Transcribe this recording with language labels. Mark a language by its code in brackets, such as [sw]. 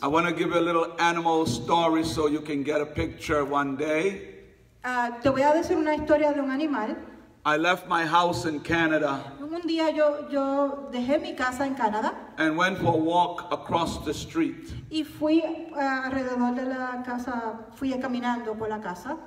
[en] I want to give you a little animal story so you can get a picture one day. [es] Te voy a decir una historia de un animal. [en] I left my house in Canada. [es] Un día yo dejé mi casa en Canadá. [en] And went for a walk across the street. [es] Y fui alrededor de la casa, fui caminando por la casa.